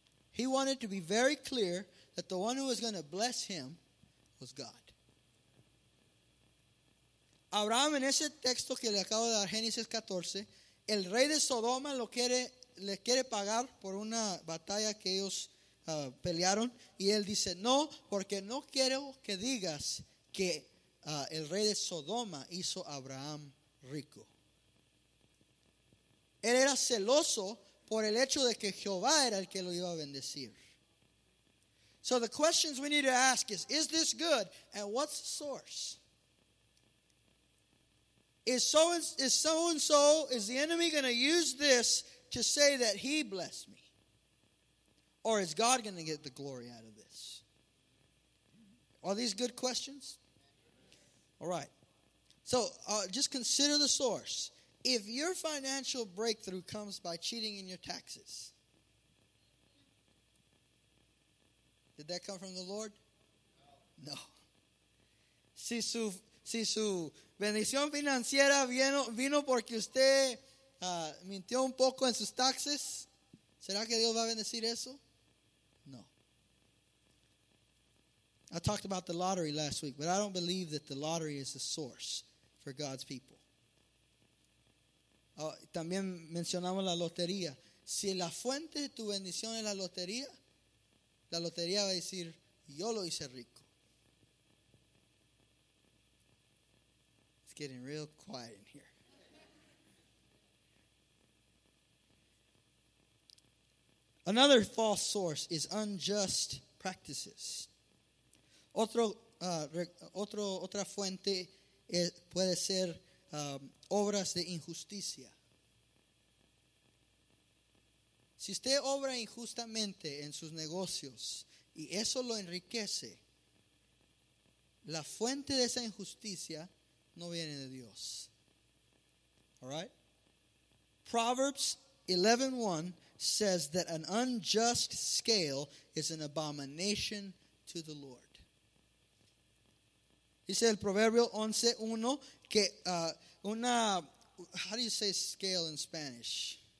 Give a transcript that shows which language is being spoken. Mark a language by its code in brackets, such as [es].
[en] He wanted to be very clear that the one who was going to bless him was God. [es] Abraham, en ese texto que le acabo de dar, Génesis 14, el rey de Sodoma le quiere pagar por una batalla que ellos pelearon. Y él dice, no, porque no quiero que digas que el rey de Sodoma hizo a Abraham rico. Él era celoso por el hecho de que Jehová era el que lo iba a bendecir. [en] So the questions we need to ask is this good and what's the source? Is the enemy going to use this to say that he blessed me? Or is God going to get the glory out of this? Are these good questions? All right. So just consider the source. If your financial breakthrough comes by cheating in your taxes, did that come from the Lord? No. [es] Si su bendición financiera vino porque usted mintió un poco en sus taxes, ¿será que Dios va a bendecir eso? No. [en] I talked about the lottery last week, but I don't believe that the lottery is the source for God's people. [es] También mencionamos la lotería. Si la fuente de tu bendición es la lotería va a decir, yo lo hice rico. [en] Getting real quiet in here. Another false source is unjust practices. [es] Otra fuente puede ser obras de injusticia. Si usted obra injustamente en sus negocios y eso lo enriquece, la fuente de esa injusticia no viene de Dios. [en] All right? Proverbs 11:1 says that an unjust scale is an abomination to the Lord. [es] Dice el Proverbio 11:1 que una, [en] how do you say scale in Spanish?